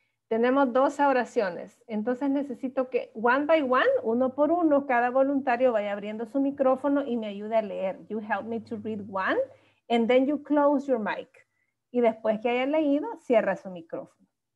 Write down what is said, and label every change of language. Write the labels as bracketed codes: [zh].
[es] Tenemos 12 oraciones, entonces necesito que [en] one by one, [es] uno por uno, cada voluntario vaya abriendo su micrófono y me ayude a leer. [en] You help me to read one, and then you close your mic. [es] Y después que haya leído, cierra su micrófono.